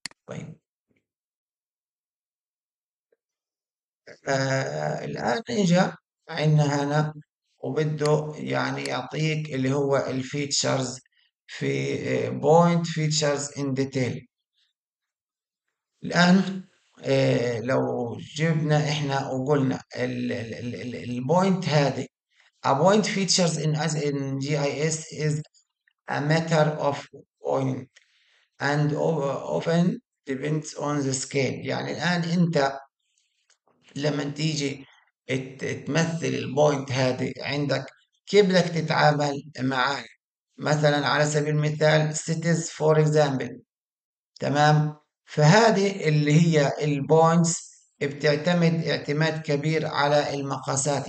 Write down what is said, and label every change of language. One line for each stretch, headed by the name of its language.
Arabic: طيب الان اجى عندنا هنا وبده يعني يعطيك اللي هو الفيتشرز في بوينت فيتشرز ان ديتيل. الان لو جبنا احنا وقلنا البوينت هذه
English: A point features in as in GIS is a matter of point and often depends on the scale.
Arabic: يعني الآن أنت لما تيجي تمثل البوينت هذه عندك كيف بدك تتعامل معاه؟ مثلا على سبيل المثال
English: cities for example.
Arabic: تمام؟ فهذه اللي هي البوينتس بتعتمد اعتماد كبير على المقاسات.